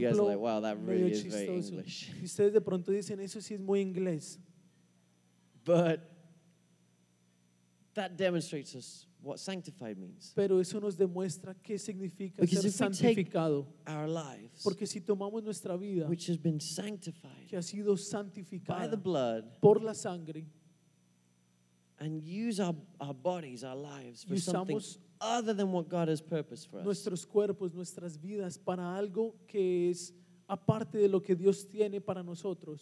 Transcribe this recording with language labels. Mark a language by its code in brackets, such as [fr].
[en] You guys are like, wow, that really is very English. [es] Y ustedes de pronto dicen, eso sí es muy inglés. [en] But that demonstrates us what sanctified means. [es] Pero eso nos demuestra qué significa [en] because [es] ser santificado. [en] Our lives, [es] porque si tomamos nuestra vida, [en] which has been sanctified, [es] que ha sido santificada [en] by the blood, [es] por la sangre, [en] and use our bodies, our lives for something other than what God has purposed for us. [es] Nuestros cuerpos, nuestras vidas para algo que es aparte de lo que Dios tiene para nosotros.